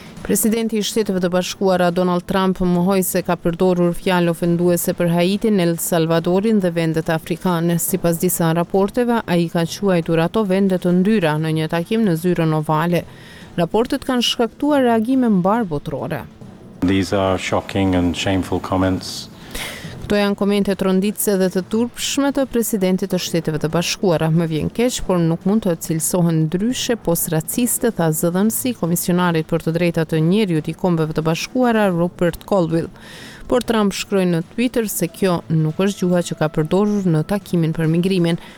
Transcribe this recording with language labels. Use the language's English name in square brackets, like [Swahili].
[Albanian] Presidenti i Shteteve të Bashkuara Donald Trump mohoi se ka përdorur fjalë ofenduese për Haitin, El Salvadorin dhe vendet afrikane. Sipas disa raporteve, ai ka quajtur ato vende të ndyra në një takim në zyrën ovale. Raportet kanë shkaktuar reagime mbar botërore. [English] These are shocking and shameful comments. [Albanian] Këto janë komente tronditëse dhe të turpshme të presidentit të Shteteve të Bashkuara. Më vjen keq, por nuk mund të cilësohen ndryshe pos raciste, tha zëdhënësi komisionarit për të drejtat të njerëzit i Kombeve të Bashkuara Rupert Colville. Por Trump shkroi në Twitter se kjo nuk është gjuha që ka përdorur në takimin për migrimin.